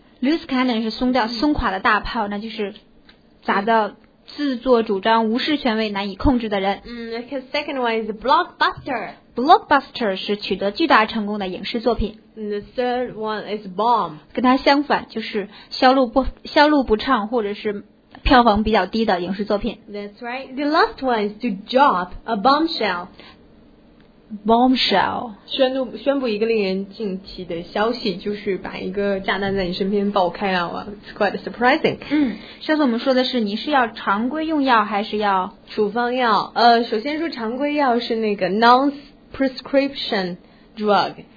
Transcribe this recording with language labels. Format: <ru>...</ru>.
<zh>Loose cannon 是松掉、松垮的大炮，那就是砸到自作主张、无视权威、难以控制的人。</zh> <en>The second one is blockbuster.</en> <zh>Blockbuster 是取得巨大成功的影视作品。</zh> <en>The third one is bomb.</en> <zh>跟它相反，就是销路不畅，或者是票房比较低的影视作品。</zh> <en>That's right. The last one is to drop a bombshell. Bombshell.</en> <zh>宣布一个令人惊奇的消息，就是把一个炸弹在你身边爆开了。</zh> <en>It's quite surprising.</en> <zh>上次我们说的是，你是要常规用药还是要处方药？首先说常规药是那个 non-prescription drug.</zh>